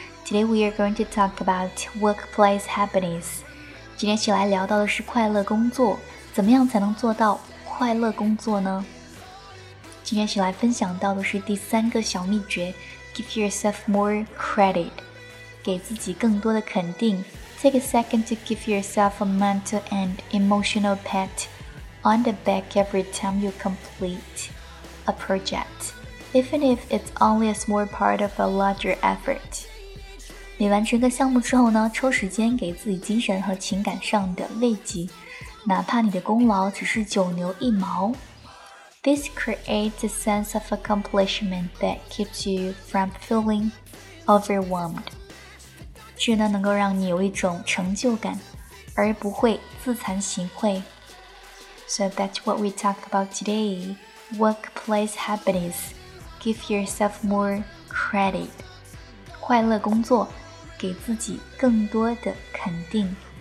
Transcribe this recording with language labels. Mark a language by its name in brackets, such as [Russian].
[English] Today we are going to talk about workplace happiness。 [Chinese] 今天起来聊到的是快乐工作，怎么样才能做到快乐工作呢？今天起来分享到的是第三个小秘诀， [English] Give yourself more credit， [Chinese] 给自己更多的肯定。 [English] Take a second to give yourself a mental and emotional pat on the back every time you complete a project, even if it's only a small part of a larger effort. [Chinese] 你完成个项目之后呢，抽时间给自己精神和情感上的慰藉，哪怕你的功劳只是九牛一毛。 [English] This creates a sense of accomplishment that keeps you from feeling overwhelmed. [Chinese] 这呢能够让你有一种成就感，而不会自惭形秽。 [English] So that's what we talk about today. Workplace happiness. Give yourself more credit. [Chinese] 快乐工作，给自己更多的肯定。